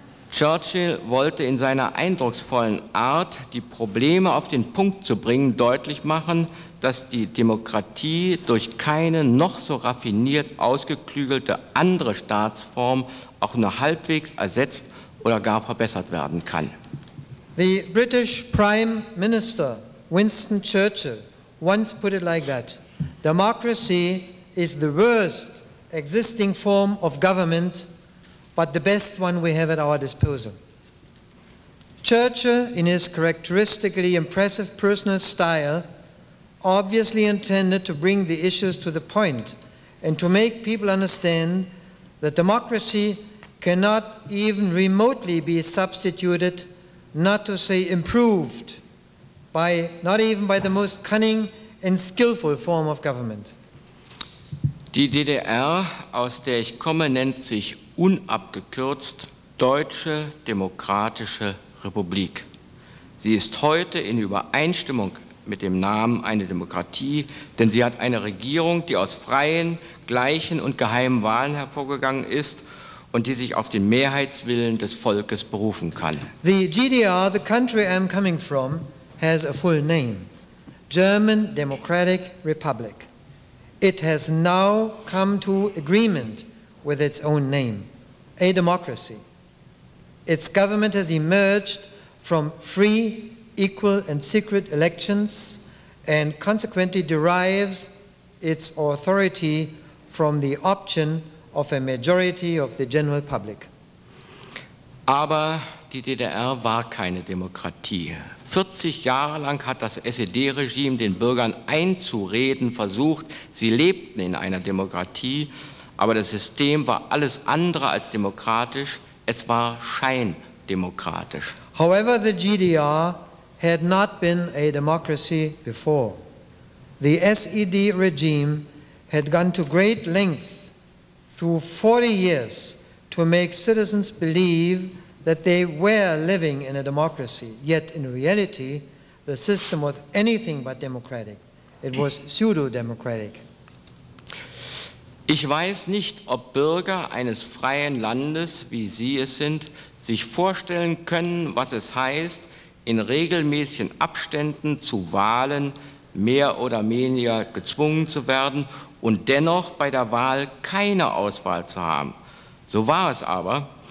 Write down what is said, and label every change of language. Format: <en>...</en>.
<de>Churchill wollte in seiner eindrucksvollen Art, die Probleme auf den Punkt zu bringen, deutlich machen, dass die Demokratie durch keine noch so raffiniert ausgeklügelte andere Staatsform auch nur halbwegs ersetzt oder gar verbessert werden kann.</de> <en>The British Prime Minister Winston Churchill once put it like that: Democracy is the worst existing form of government, but the best one we have at our disposal. Churchill, in his characteristically impressive personal style, obviously intended to bring the issues to the point and to make people understand that democracy cannot even remotely be substituted, not to say improved, by not even by the most cunning and skillful form of government.</en> <de>Die DDR, aus der ich komme, nennt sich unabgekürzt Deutsche Demokratische Republik. Sie ist heute in Übereinstimmung mit dem Namen eine Demokratie, denn sie hat eine Regierung, die aus freien, gleichen und geheimen Wahlen hervorgegangen ist und die sich auf den Mehrheitswillen des Volkes berufen kann.</de> <en>The GDR, the country I'm coming from, has a full name: German Democratic Republic. It has now come to agreement with its own name, a democracy. Its government has emerged from free, equal and secret elections and consequently derives its authority from the option of a majority of the general public.</en> <de>Aber die DDR war keine Demokratie. 40 Jahre lang hat das SED-Regime den Bürgern einzureden versucht, sie lebten in einer Demokratie, aber das System war alles andere als demokratisch, es war scheindemokratisch.</de> <en>However, the GDR had not been a democracy before. The SED regime had gone to great length through 40 years to make citizens believe that they were living in a democracy, yet in reality, the system was anything but democratic. It was pseudo-democratic.</en> <de>Ich weiß nicht, ob Bürger eines freien Landes, wie Sie es sind, sich vorstellen können, was es heißt, in regelmäßigen Abständen zu Wahlen mehr oder weniger gezwungen zu werden und dennoch bei der Wahl keine Auswahl zu haben. So war es aber.</de>